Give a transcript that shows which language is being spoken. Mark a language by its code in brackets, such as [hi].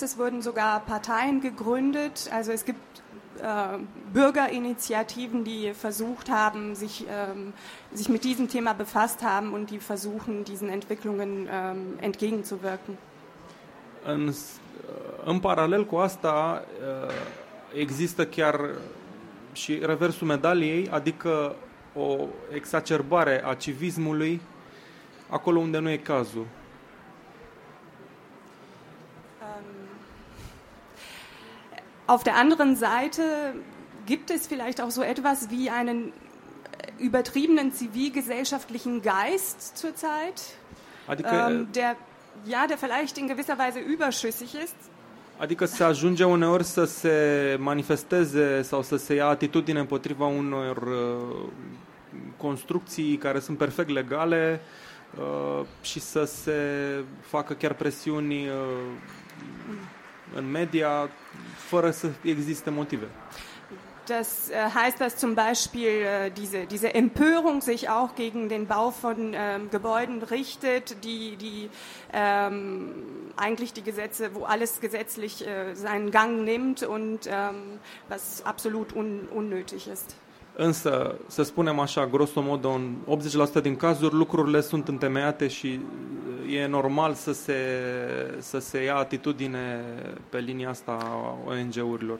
[de] Es wurden sogar Parteien gegründet. Also es gibt Bürgerinitiativen, die versucht haben, sich mit diesem Thema befasst haben und die versuchen, diesen Entwicklungen entgegenzuwirken. [ro] În paralel cu asta există chiar și reversul medaliei, adică o exacerbare a civismului acolo unde nu e cazul. [de] Auf der anderen Seite gibt es vielleicht auch so etwas wie einen übertriebenen zivilgesellschaftlichen Geist zurzeit, der vielleicht in gewisser Weise überschüssig ist. [ro] Adică se ajunge uneori să se manifesteze sau să se ia atitudine împotriva unor construcții care sunt perfect legale și să se facă chiar presiuni în media, fără să existe motive. [de] Das heißt, dass zum Beispiel diese Empörung sich auch gegen den Bau von Gebäuden richtet, die eigentlich die Gesetze, wo alles gesetzlich seinen Gang nimmt und was absolut unnötig ist. [ro] Însă, să spunem așa, grosso modo, în 80% din cazuri, lucrurile sunt întemeiate și e normal să se ia atitudine pe linia asta a ONG-urilor.